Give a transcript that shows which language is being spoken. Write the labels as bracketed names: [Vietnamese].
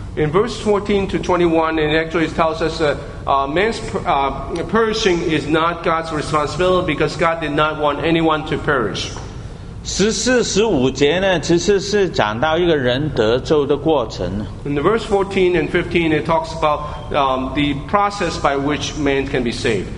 [English] in verse 14-21 it actually tells us man's perishing is not God's responsibility because God did not want anyone to perish [Chinese] 十四十五节呢，其实是讲到一个人得救的过程。 [English] In the verse 14 and 15, it talks about the process by which man can be saved.